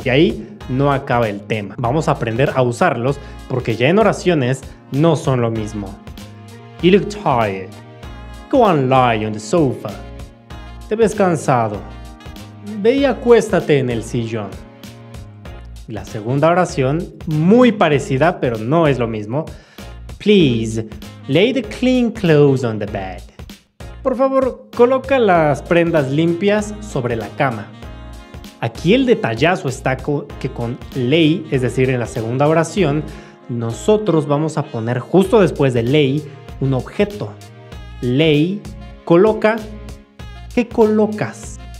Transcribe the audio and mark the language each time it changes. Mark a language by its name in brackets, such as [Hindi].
[Spanish] Y ahí no acaba el tema. Vamos a aprender a usarlos porque ya en oraciones no son lo mismo. [English] You look tired. Go and lie on the sofa. [Spanish] Te ves cansado. Ve y acuéstate en el sillón. La segunda oración, muy parecida, pero no es lo mismo. [English] Please, lay the clean clothes on the bed. [Spanish] Por favor, coloca las prendas limpias sobre la cama. Aquí el detallazo está que con lay, es decir, en la segunda oración, nosotros vamos a poner justo después de lay un objeto. Lay, coloca, ¿qué colocas?